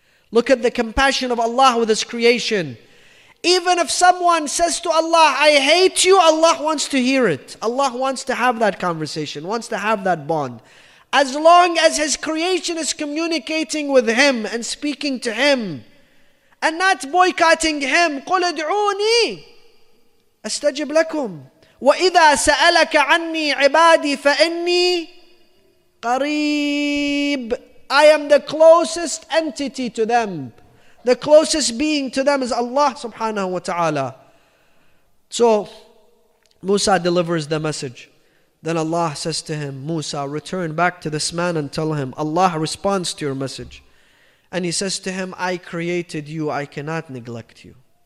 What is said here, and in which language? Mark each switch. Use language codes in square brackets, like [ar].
[en] Look at the compassion of Allah with His creation. Even if someone says to Allah, I hate you, Allah wants to hear it. Allah wants to have that conversation, wants to have that bond. As long as His creation is communicating with Him and speaking to Him and not boycotting Him, [ar] قُلْ ادْعُونِي أستجب لكم. وإذا سألك عني عبادي فإني قريب. [en] I am the closest entity to them. The closest being to them is Allah subhanahu wa ta'ala. So Musa delivers the message. Then Allah says to him, Musa, return back to this man and tell him, Allah responds to your message. And he says to him, I created you, I cannot neglect you.